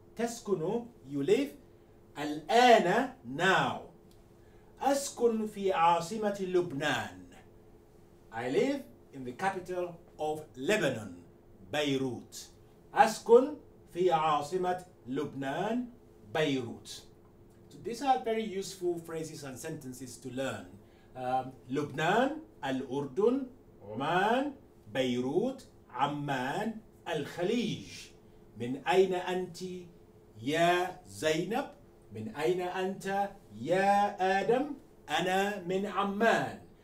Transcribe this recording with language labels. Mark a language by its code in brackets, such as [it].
[en] تسكن, you live. الآن, now. [ar] أسكن في عاصمة لبنان. [en] I live in the capital of Lebanon, Beirut. [ar] أسكن في عاصمة لبنان, Beirut. [en] So these are very useful phrases and sentences to learn. [ar] لبنان, الأردن, عمان, بيروت, عمان, الخليج. من أين أنت يا زينب؟ من أين أنت يا آدم؟ أنا من عمان.